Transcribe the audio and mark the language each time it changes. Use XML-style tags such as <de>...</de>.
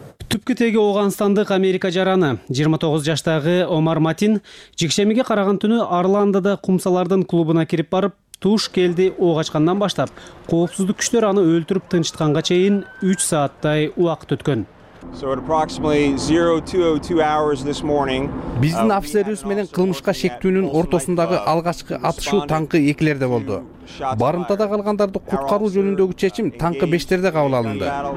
<ky>Түпкү теги Ооганстандык Америка жараны 29 жаштагы Омар Матин жекшембиге караган түнү Арландыда кумсалардын клубуна кирип барып, туш келди ок ачкандан баштап, коопсуздук күчтөрү аны өлтүрүп тынчытканга чейин 3 сааттай убакыт өткөн.</ky> <en>So at approximately 0202 hours this morning,</en> <ky>биздин офицерибиз менен кылмышка шектүүнүн ортосундагы алгачкы атышуу таңкы 2-лерде болду. Барымтада калгандарды куткаруу жөнүндөгү чечим таңкы 5-лерде кабыл алынды.</ky>